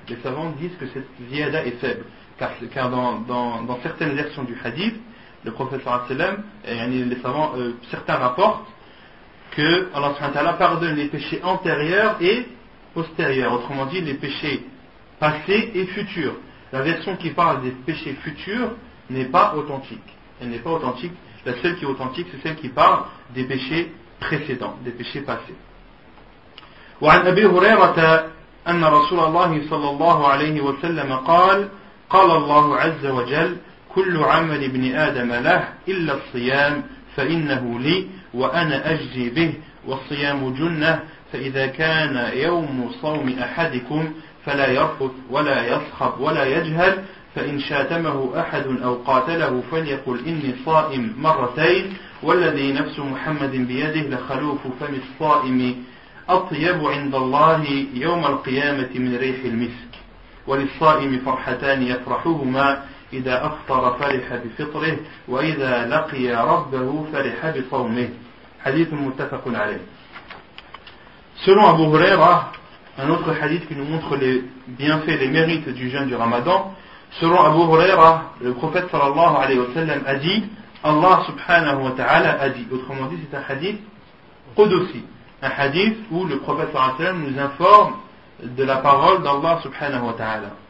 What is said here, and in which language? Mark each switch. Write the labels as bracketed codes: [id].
[fr] Les savants disent que cette ziyada est faible, car dans certaines versions du hadith, le prophète sallallahu alayhi wa sallam, certains rapportent que Allah subhanahu wa ta'ala pardonne les péchés antérieurs et postérieurs. Autrement dit, les péchés passés et futurs. La version qui parle des péchés futurs n'est pas authentique. Elle n'est pas authentique. La seule qui est authentique, c'est celle qui parle des péchés précédents, des péchés passés. [ar] Wa an Abi Hurayra ta anna Rasulallah sallallahu alayhi wa sallam qala Allahu azza wa jal كل عمل ابن آدم له إلا الصيام فإنه لي وأنا أجزي به والصيام جنة فإذا كان يوم صوم أحدكم فلا يرفث ولا يصخب ولا يجهل فإن شاتمه أحد أو قاتله فليقل إني صائم مرتين والذي نفس محمد بيده لخلوف فم الصائم أطيب عند الله يوم القيامة من ريح المسك وللصائم فرحتان يفرحهما إذا أفطر فرح بفطره وإذا لقي ربه فرح بصومه. حديث متفق عليه. [fr] Selon Abu Huraira, un autre hadith qui nous montre les bienfaits, les mérites du jeûne du Ramadan, selon Abu Huraira, le prophète sallallahu alayhi wa sallam a dit, Allah subhanahu wa ta'ala a dit, autrement dit c'est un hadith qudusi, un hadith où le prophète sallallahu alayhi wa sallam nous informe de la parole d'Allah subhanahu wa ta'ala.